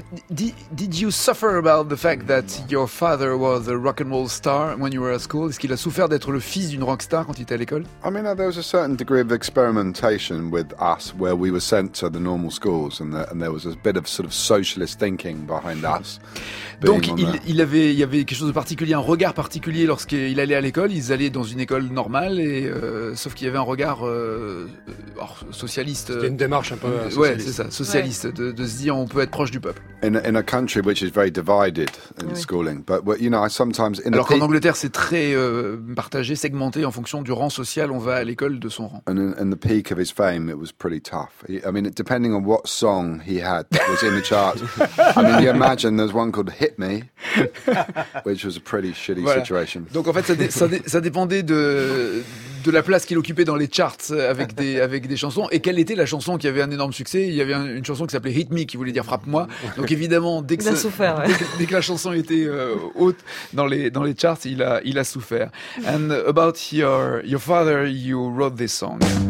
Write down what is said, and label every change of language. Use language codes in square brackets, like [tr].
[en] Did you suffer about the fact that your father was a rock and roll star when you were at school? [fr] Est-ce qu'il a souffert d'être le fils d'une rock star quand il était à l'école? [en] I mean, there was a certain degree of experimentation with us, where we were sent to the normal schools, and there was a bit of sort of socialist thinking behind us. [fr] Donc il y avait quelque chose de particulier, un regard particulier lorsqu'il allait à l'école. Ils allaient dans une école normale, et sauf qu'il y avait un regard socialiste. C'était une démarche un peu socialiste. Ouais, c'est ça, socialiste, de se dire on peut être proche du peuple. [en] In a country which is very divided in schooling, but you know, sometimes in [fr] alors qu'en Angleterre c'est très partagé, segmenté en fonction du rang social, on va à l'école de son rang. [en] And in the peak of his fame, it was pretty tough. I mean, depending on what song he had that was in the charts. I mean, you imagine there's one called Hit Me, which was a pretty shitty situation. [fr] Donc en fait, ça dépendait de la place qu'il occupait dans les charts avec des chansons. Et quelle était la chanson qui avait un énorme succès? Il y avait une chanson qui s'appelait Hit Me, qui voulait dire frappe-moi. Donc évidemment, dès que la chanson était haute dans les charts, il a souffert. [en] And about your father, you wrote this song.